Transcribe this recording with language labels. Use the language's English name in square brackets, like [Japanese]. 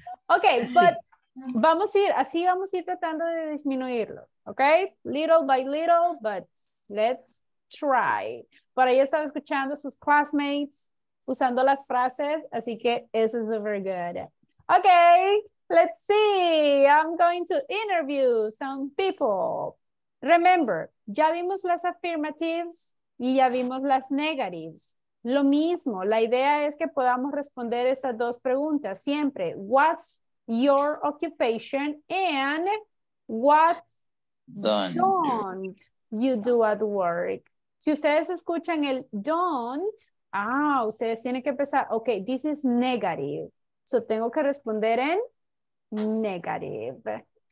[Spanish] Ok, but sí. Vamos a ir, así vamos a ir tratando de disminuirlo, ok, [English] little by little, but let's try. [Spanish] Por ahí estaba escuchando a sus classmates usando las frases, así que eso es [English] super good. Ok, let's see, I'm going to interview some people. Remember, [Spanish] ya vimos las affirmatives y ya vimos las negatives. Lo mismo, la idea es que podamos responder estas dos preguntas siempre. [English] What's your occupation and what don't you do at work? [Spanish] Si ustedes escuchan el don't, ustedes tienen que empezar, [English] ok, this is negative. [Spanish] So tengo que responder en negative.